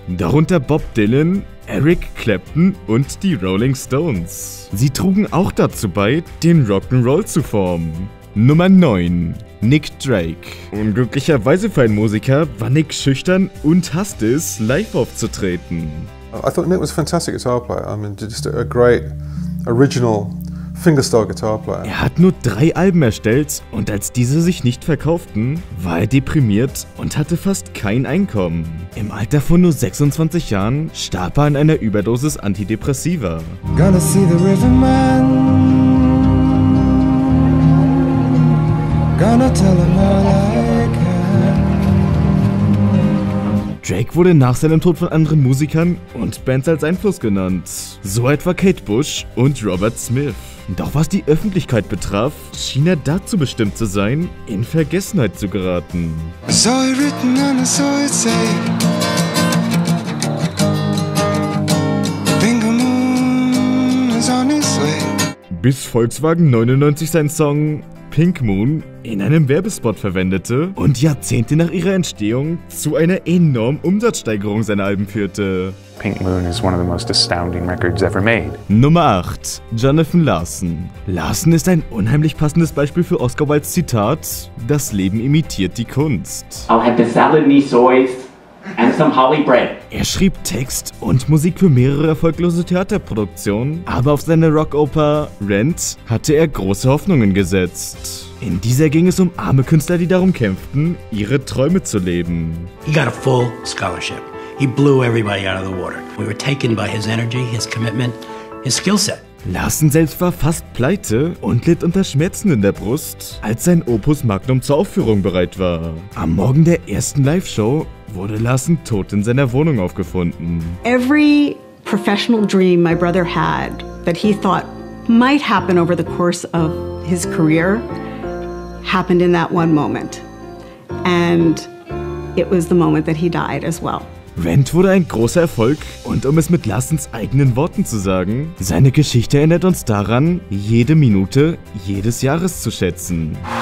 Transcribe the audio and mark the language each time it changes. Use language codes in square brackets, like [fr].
[de] Darunter Bob Dylan, Eric Clapton und die Rolling Stones. Sie trugen auch dazu bei, den Rock'n'Roll zu formen. Nummer 9. Nick Drake. Unglücklicherweise für einen Musiker war Nick schüchtern und hasste es, live aufzutreten. [en] I thought Nick was fantastic guitar player. I mean, just a great original Fingerstyle Guitar Player. [de] Er hat nur 3 Alben erstellt und als diese sich nicht verkauften, war er deprimiert und hatte fast kein Einkommen. Im Alter von nur 26 Jahren starb er an einer Überdosis Antidepressiva. [en] Gonna see the river man. Gonna tell him all I can. [de] Drake wurde nach seinem Tod von anderen Musikern und Bands als Einfluss genannt. So etwa Kate Bush und Robert Smith. Doch was die Öffentlichkeit betraf, schien er dazu bestimmt zu sein, in Vergessenheit zu geraten. Bis Volkswagen 99 seinen Song Pink Moon in einem Werbespot verwendete und Jahrzehnte nach ihrer Entstehung zu einer enormen Umsatzsteigerung seiner Alben führte. [en] Pink Moon is one of the most astounding records ever made. [de] Nummer 8. Jonathan Larson. Larson ist ein unheimlich passendes Beispiel für Oscar Wildes Zitat: Das Leben imitiert die Kunst. [en] I'll have the salad knee soys and some holly bread. [de] Er schrieb Text und Musik für mehrere erfolglose Theaterproduktionen, aber auf seine Rockoper Rent hatte er große Hoffnungen gesetzt. In dieser ging es um arme Künstler, die darum kämpften, ihre Träume zu leben. [en] He got a full scholarship. He blew everybody out of the water. We were taken by his energy, his commitment, his skill set. [de] Larson selbst war fast pleite und litt unter Schmerzen in der Brust, als sein Opus Magnum zur Aufführung bereit war. Am Morgen der ersten Live-Show wurde Larson tot in seiner Wohnung aufgefunden. [en] Every professional dream my brother had that he thought might happen over the course of his career happened in that one moment. And it was the moment that he died as well. [de] Rent wurde ein großer Erfolg und um es mit Larsons eigenen Worten zu sagen, seine Geschichte erinnert uns daran, jede Minute jedes Jahres zu schätzen.